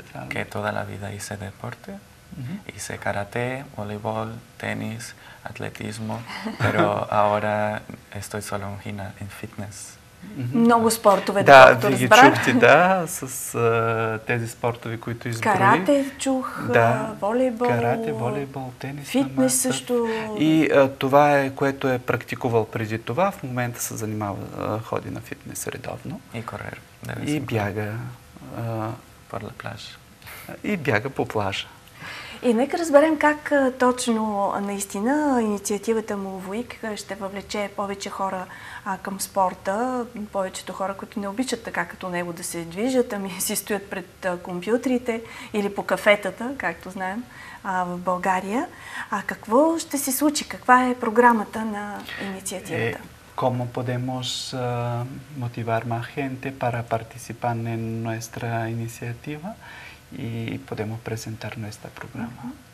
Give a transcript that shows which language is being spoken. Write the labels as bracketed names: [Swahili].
[Spanish] Que toda la vida hice deporte. Hice карате, волейбол, тенис, атлетизмо, pero ahora estoy solo en фитнес. [Bulgarian] Много спортове, ви ги чухте, с тези спортове, които изброи. Карате чух, волейбол. Карате, волейбол, тенис. Фитнес също. И това е, което е практикувал преди това. В момента се занимава, ходи на фитнес редовно. [Spanish] И корер. [Bulgarian] И бяга. [Spanish] Пор ла пляж. [Bulgarian] И бяга по плажа. И нека разберем как точно наистина инициативата му ВУИК ще въвлече повече хора към спорта, повечето хора, които не обичат така като него да се движат, ами си стоят пред компютрите или по кафетата, както знаем, в България. А какво ще се случи? Каква е програмата на инициативата? [Spanish] ¿Cómo podemos motivar más gente para participar en nuestra iniciativa? y podemos presentar nuestra programa.